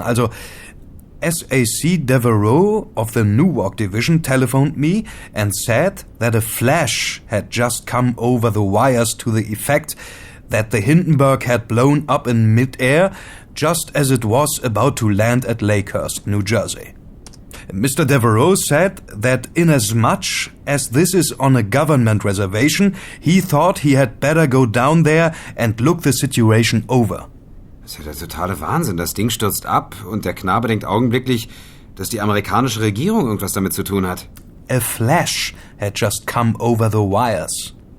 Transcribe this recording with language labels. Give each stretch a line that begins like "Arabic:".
English: Also, SAC Devereaux of the Newark Division telephoned me and said that a flash had just come over the wires to the effect that the Hindenburg had blown up in midair just as it was about to land at Lakehurst, New Jersey. Mr. Devereaux said that inasmuch as this is on a government reservation, he thought he had better go down there and look the situation over.
German: Das ist ja der totale Wahnsinn. Das Ding stürzt ab und der Knabe denkt augenblicklich, dass die amerikanische Regierung irgendwas damit zu tun hat.
English: A flash had just come over the wires.